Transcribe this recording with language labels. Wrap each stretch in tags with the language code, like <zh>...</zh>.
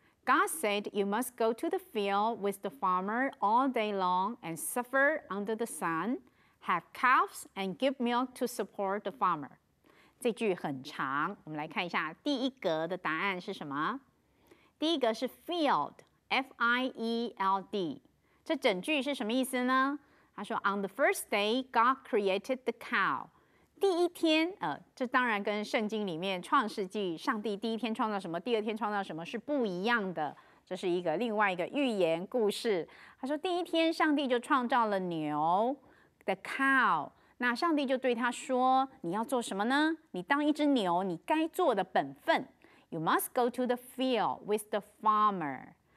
<en>God said, you must go to the field with the farmer all day long and suffer under the sun, have calves and give milk to support the farmer.</en> <zh>这句很长，我们来看一下第一格的答案是什么。第一格是 field, F-I-E-L-D。这整句是什么意思呢？他说</zh> <en>,On the first day, God created the cow.</en> <zh>第一天这当然跟圣经里面创世纪上帝第一天创造什么第二天创造什么是不一样的。这是一个另外一个寓言故事。他说第一天上帝就创造了牛 ,</zh> <en>the cow.</en> <zh>那上帝就对他说你要做什么呢你当一只牛你该做的本分。</zh> <en>You must go to the field with the farmer.</en>